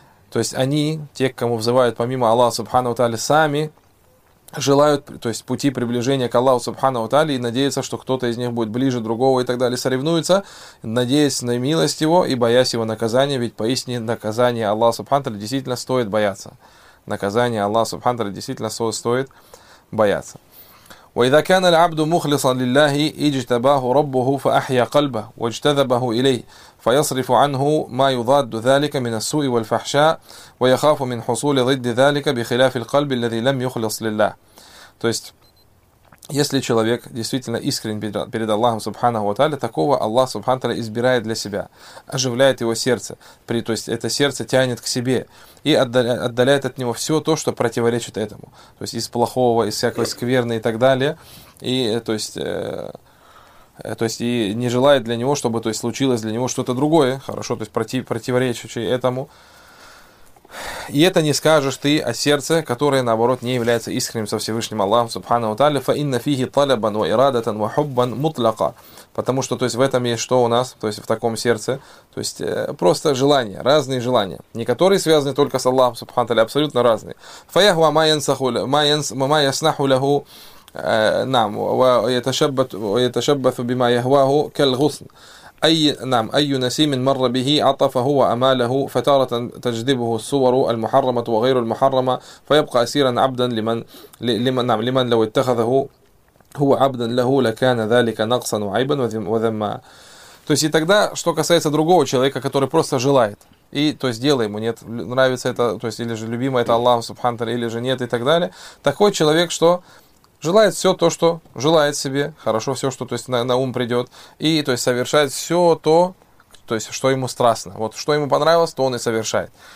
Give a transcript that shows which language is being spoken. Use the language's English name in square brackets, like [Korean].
[Russian] То есть, они, те, кому взывают помимо Аллаха субхану тааля, сами желают, то есть, пути приближения к Аллаху субханаху тааля и надеются, что кто-то из них будет ближе другого и так далее, соревнуются, надеясь на милость его и боясь его наказания, ведь поистине наказание Аллаха субханаху тааля действительно стоит бояться. Наказание Аллаха субханаху тааля действительно стоит бояться. [Arabic] وإذا كان العبد مخلصا لله اجتباه ربه فأحيا قلبه واجتذبه إليه فيصرف عنه ما يضاد ذلك من السوء والفحشاء ويخاف من حصول ضد ذلك بخلاف القلب الذي لم يخلص لله. [Russian] То есть, если человек действительно искренен перед Аллахом субханаху ва тааля, такого Аллах субханаху ва тааля избирает для себя, оживляет его сердце, то есть это сердце тянет к себе и отдаляет от него все то, что противоречит этому. То есть из плохого, из всякого скверного и так далее. И, то есть, и не желает для него, чтобы, то есть, случилось для него что-то другое, хорошо, то есть противоречащее этому. И это не скажешь ты о сердце, которое, наоборот, не является искренним со Всевышним Аллахом, субханаху тааля. [Arabic] «Фаинна фиги талябан ва ирадатан ва хуббан мутлака». [Russian] Потому что, то есть, в этом есть что у нас, то есть, в таком сердце, то есть, просто желания, разные желания, не которые связаны только с Аллахом, субханаху тааля, абсолютно разные. [Arabic] «Фаяхва ма янсаху ляху نعم ويتشبث بما يهواه كالغصن أي نعم أي نسيم مر به عطفه وأماله فتارة تجذبه الصور المحرمة وغير المحرمة فيبقى أسيرا عبدا لمن لو اتخذه هو عبدا له لكان ذلك نقصا وعيبا وذما. [Russian] То есть и тогда, что касается другого человека, который просто желает, и то есть дело ему нет, нравится это, то есть или же любимо это Аллах Субханта, или же нет и так далее, такой человек, что желает все то, что желает себе, хорошо все, что то есть на ум придет, и то есть совершает все то есть что ему страстно, вот что ему понравилось, то он и совершает.